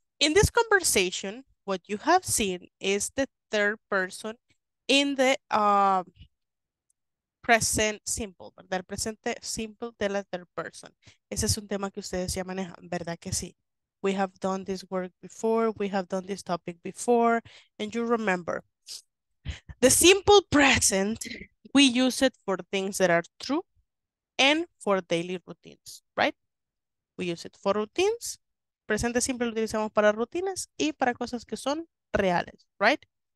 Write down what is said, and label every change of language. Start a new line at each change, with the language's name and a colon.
English: In this conversation, what you have seen is the third person in the present simple, ¿verdad?
Spanish: El presente simple de la third person. Ese es un tema que ustedes ya manejan, ¿verdad que sí?
English: We have done this work before, we have done this topic before, and you remember, the simple present, we use it for things that are true and for daily routines, right? We use it for routines.
Spanish: Presente simple lo utilizamos para rutinas y para cosas que son reales, right?